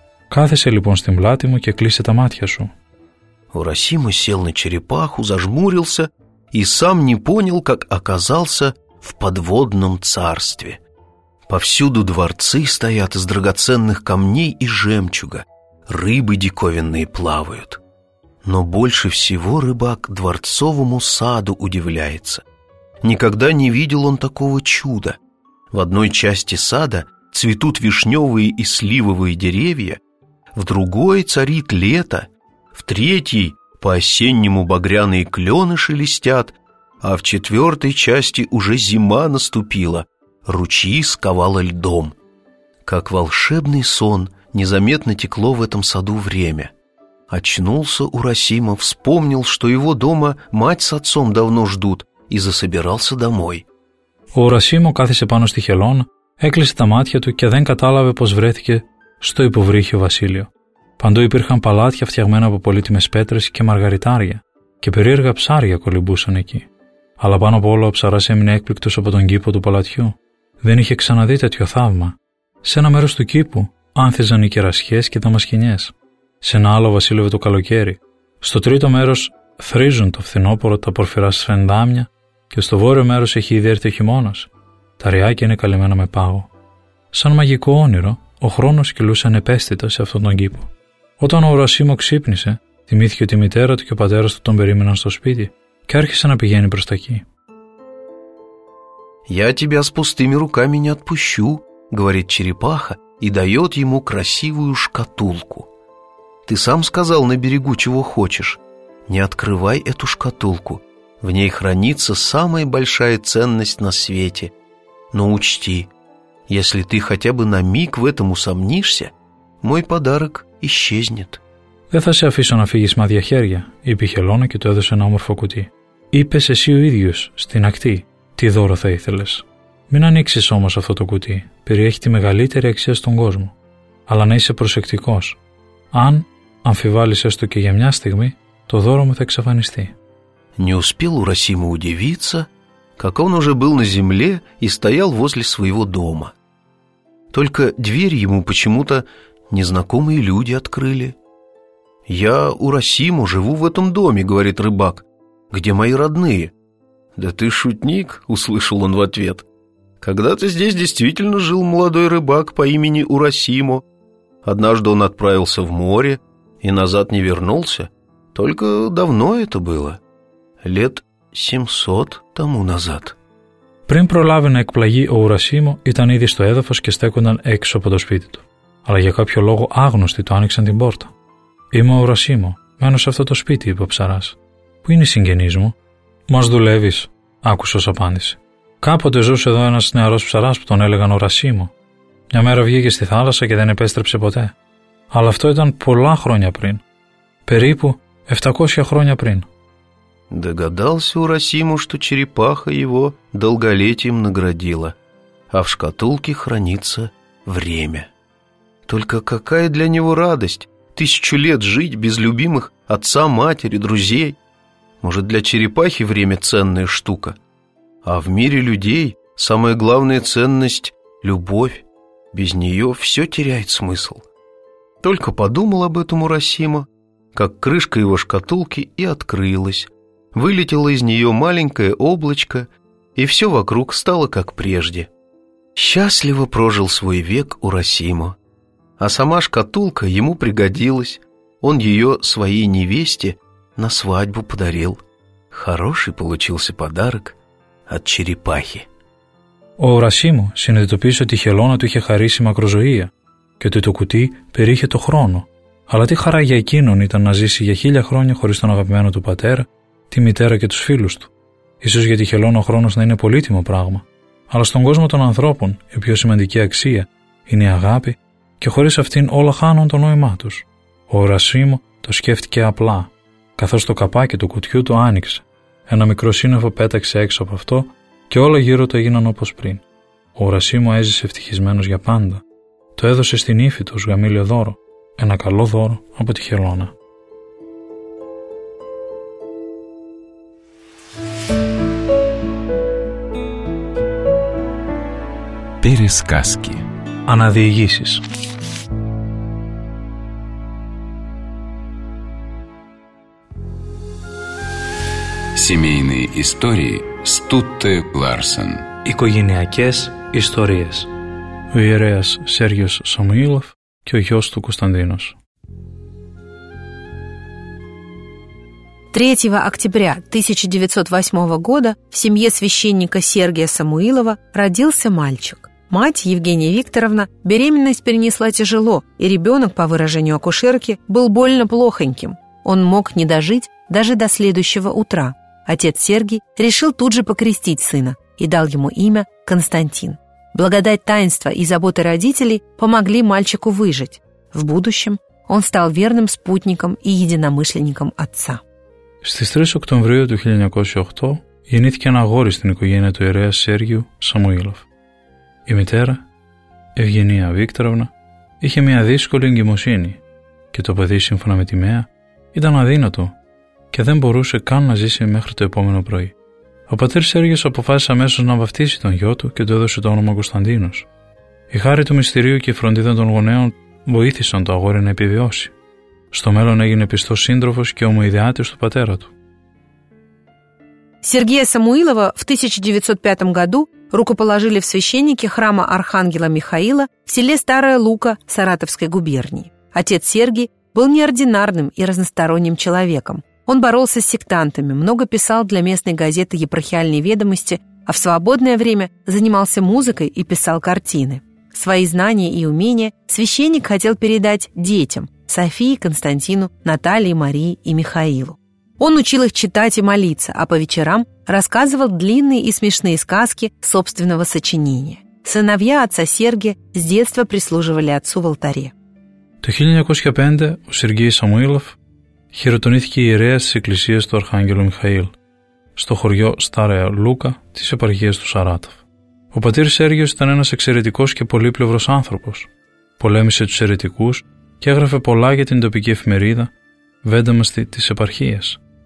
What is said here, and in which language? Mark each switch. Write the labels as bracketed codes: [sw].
[el] Κάθεσε λοιπόν στην πλάτη μου και κλείσε τα μάτια σου». [ru] Ο Ουρασίμο сел на черепаху, зажмурился и сам не понял, как оказался в подводном царстве. Повсюду дворцы стоят из драгоценных камней и жемчуга, рыбы диковинные плавают. Но больше всего рыбак дворцовому саду удивляется. Никогда не видел он такого чуда. В одной части сада цветут вишневые и сливовые деревья, в другой царит лето, в третьей по-осеннему багряные клены шелестят, а в четвертой части уже зима наступила, ручьи сковало льдом. Как волшебный сон незаметно текло в этом саду время. Очнулся Урасимо, вспомнил, что его дома мать с отцом давно ждут, и засобирался домой. [el] Ο Урασίμο κάθισε πάνω στη χελώνα, έκλεισε τα μάτια του και δεν κατάλαβε πως βρέθηκε στο υποβρύχιο βασίλειο. Παντού υπήρχαν παλάτια φτιαγμένα από πολύτιμες πέτρες και μαργαριτάρια, και περίεργα ψάρια κολυμπούσαν εκεί. Αλλά πάνω από όλο ο ψαράς έμεινε έκπληκτος από τον κήπο του παλατιού. Δεν είχε ξαναδεί τέτοιο θαύμα. Σε ένα μέρος του κήπου άνθιζαν οι κερασιές και τα μασκινιές. Σε ένα άλλο βασίλευε το καλοκαίρι. Στο τρίτο μέρος θρίζουν το φθινόπωρο τα πορφυρά σφεντάμια και στο βόρειο μέρος έχει ήδη έρθει ο χειμώνας. Τα ριάκια είναι καλυμμένα με πάγο. Σαν μαγικό όνειρο, ο χρόνος κυλούσε ανεπαίσθητα σε αυτόν τον κήπο. Όταν ο Ουρασίμο ξύπνησε, θυμήθηκε ότι η μητέρα του και ο πατέρας του τον περίμεναν στο σπίτι και άρχισε να πηγαίνει προς τα εκεί. [ru] «Я тебя с пустыми руками не отпущу», говорит черепаха и дает ему красивую шкатулку. «Ты сам сказал на берегу, чего хочешь. Не открывай эту шкатулку. В ней хранится самая большая ценность на свете. Но учти, если ты хотя бы на миг в этом усомнишься, мой подарок исчезнет». [el] «Δεν θα σε αφήσω να φύγεις με άδεια χέρια», είπε η χελώνα και του έδωσε ένα όμορφο κουτί. «Είπες εσύ ο ίδιος, στην ακτή, τι δώρο θα ήθελες. Μην ανοίξεις όμως αυτό το κουτί, περιέχει τη μεγαλύτερη αξία στον κόσμο. Αλλά να είσαι προσεκτικός. Αν αμφιβάλλεις έστω και για μια στιγμή, το δώρο μου θα εξαφανιστεί». [ru] Не успел Урасимо удивиться, как он уже был на земле и стоял возле своего дома. Только дверь ему почему-то незнакомые люди открыли. «Я, Урасимо, живу в этом доме», — говорит рыбак. «Где мои родные?» «Да ты шутник», — услышал он в ответ. Когда-то здесь действительно жил молодой рыбак по имени Урасимо. Однажды он отправился в море и назад не вернулся. Только давно это было. Лет 700 тому назад. [el] Πριν προλάβει να εκπλαγεί ο Ουρασίμο, ήταν ήδη στο έδαφος και στέκονταν έξω από το σπίτι του. Αλλά για κάποιο λόγο άγνωστοι του άνοιξαν την πόρτα. «Είμαι ο Ουρασίμο, μένω σε αυτό το σπίτι», είπε ο ψαράς. «Πού είναι οι συγγενείς μου?» «Μας δουλεύεις», άκουσε ως απάντηση. «Κάποτε ζούσε εδώ ένας νεαρός ψαράς που τον έλεγαν Ουρασίμο. Μια μέρα βγήκε στη θάλασσα και δεν επέστρεψε ποτέ. Αλλά αυτό ήταν πολλά χρόνια πριν. Περίπου 700 χρόνια πριν». [ru] Догадался Урасиму, что черепаха его долголетием наградила, а в шкатулке хранится время. Только какая для него радость тысячу лет жить без любимых отца, матери, друзей? Может, для черепахи время ценная штука? А в мире людей самая главная ценность – любовь. Без нее все теряет смысл. Только подумал об этом Урасима, как крышка его шкатулки и открылась. Вылетело из нее маленькое облачко, и все вокруг стало как прежде. Счастливо прожил свой век Урасимо. А сама шкатулка ему пригодилась. Он ее своей невесте на свадьбу подарил. Хороший получился подарок от черепахи. [el] Ο Урασίμο συνειδητοποίησε ότι η χελώνα του είχε χαρίσει μακροζωία και ότι το κουτί περίεχε το χρόνο. Αλλά τι χαρά για εκείνον ήταν να ζήσει για 1000 χρόνια χωρίς τον αγαπημένο του πατέρα, τη μητέρα και τους φίλους του. Ίσως για τη χελώνα ο χρόνος να είναι πολύτιμο πράγμα, αλλά στον κόσμο των ανθρώπων η πιο σημαντική αξία είναι η αγάπη και χωρίς αυτήν όλα χάνουν το νόημά τους. Ο Ουρασίμο το σκέφτηκε απλά, καθώς το καπάκι του κουτιού το άνοιξε. Ένα μικρό σύννεφο πέταξε έξω από αυτό και όλα γύρω του έγιναν όπως πριν. Ο Ουρασίμο έζησε ευτυχισμένος για πάντα. Το έδωσε στην ύφη του ως γαμήλιο δώρο, ένα καλό δώρο από τη χελώνα. [ru] Пересказки. [el] Αναδιηγήσεις. [ru] Семейные истории Стутте Ларсен. [el] Οικογενειακές ιστορίες. Ο ιερέας Σέργιος Σαμουήλοφ και ο γιος του Κωνσταντίνος. [ru] 3 октября 1908 года в семье священника Сергия Самуилова родился мальчик. Мать Евгения Викторовна беременность перенесла тяжело, и ребенок, по выражению акушерки, был больно плохоньким. Он мог не дожить даже до следующего утра. Отец Сергий решил тут же покрестить сына и дал ему имя Константин. Благодать таинства и заботы родителей помогли мальчику выжить. В будущем он стал верным спутником и единомышленником отца. [el] Στις 3 Οκτωβρίου του 1908 γεννήθηκε ένα αγόρι στην οικογένεια του ιερέα Σέργιου Σαμουήλοφ. Η μητέρα, Ευγενία Βίκτοροβνα, είχε μια δύσκολη εγκυμοσύνη και το παιδί, σύμφωνα με τη Μαία, ήταν αδύνατο και δεν μπορούσε καν να ζήσει μέχρι το επόμενο πρωί. Ο πατήρ Σέργιος αποφάσισε αμέσως να βαφτίσει τον γιο του και του έδωσε το όνομα Κωνσταντίνος. Η χάρη του μυστηρίου και η φροντίδα των γονέων βοήθησαν το αγόρι να επιβιώσει. Στο μέλλον έγινε πιστός σύντροφος και ομοειδεάτης του πατέρα του. [ru] Сергея Самуилова в 1905 году рукоположили в священники храма Архангела Михаила в селе Старая Лука Саратовской губернии. Отец Сергий был неординарным и разносторонним человеком. Он боролся с сектантами, много писал для местной газеты «Епархиальные ведомости», а в свободное время занимался музыкой и писал картины. Свои знания и умения священник хотел передать детям – Софии, Константину, Наталье, Марии и Михаилу. Он учил их читать и молиться, а по вечерам рассказывал длинные и смешные сказки собственного сочинения. Сыновья отца Сергия с детства прислуживали отцу в алтаре. [el] Το 1905 ο Сергей Самуилов χειροτονήθηκε ιερέας της εκκλησίας του Αρχάγγελου Μιχαήλ στο χωριό Στάρεα Λούκα της επαρχίας του Σαράτοφ. Ο πατήρ Σέργιος ήταν ένας εξαιρετικός και πολύπλευρος άνθρωπος. Πολέμησε τους αιρετικούς και έγραφε πολλά για την τοπική εφημερίδα Βένταμαστη της επαρχίας.